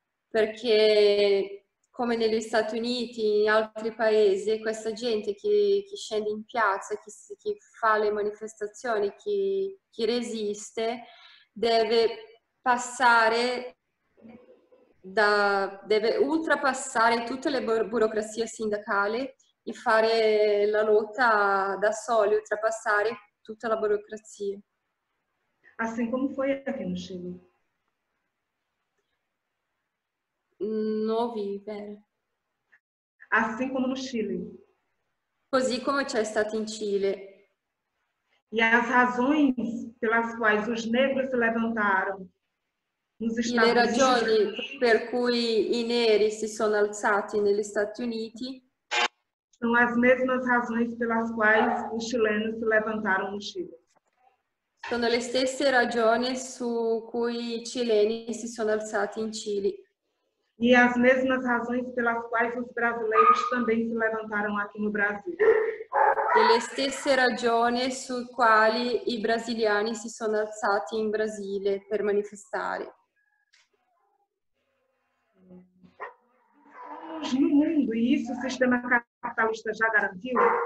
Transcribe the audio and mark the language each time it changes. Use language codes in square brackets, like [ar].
[it] Perché, come negli Stati Uniti, in altri paesi, questa gente che scende in piazza, che fa le manifestazioni, che resiste, deve passare, deve oltrepassare tutte le burocrazie sindacali e fare la lotta da soli, oltrepassare tutta la burocrazia. [pt] Assim come foi aqui no Chile. Não ouvi, Vera. Assim como no Chile. [it] Così come c'è stato in Cile. [pt] E as razões pelas quais os negros se levantaram nos Estados Unidos. [it] Le ragioni per cui i neri si sono alzati negli Stati Uniti. [pt] São as mesmas razões pelas quais os chilenos se levantaram no Chile. [it] Sono le stesse ragioni su cui i cileni si sono alzati in Cile. [pt] E as mesmas razões pelas quais os brasileiros também se levantaram aqui no Brasil. [it] E le stesse ragioni su quali i brasiliani si sono alzati in Brasile per manifestare. [pt] No mundo, e isso o sistema capitalista já garantiu?